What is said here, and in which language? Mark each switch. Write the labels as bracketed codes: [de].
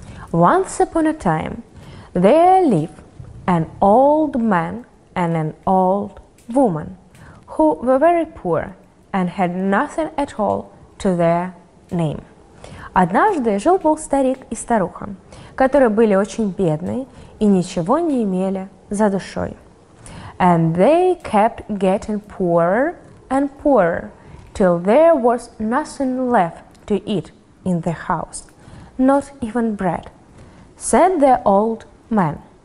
[en] Once upon a time, there lived an old man and an old woman, who were very poor and had nothing at all to their name. [ru] Однажды жил-был старик и старуха, которые были очень бедны и ничего не имели за душой. [en] And they kept getting poorer and poorer, till there was nothing left to eat in the house, not even bread, said the old man.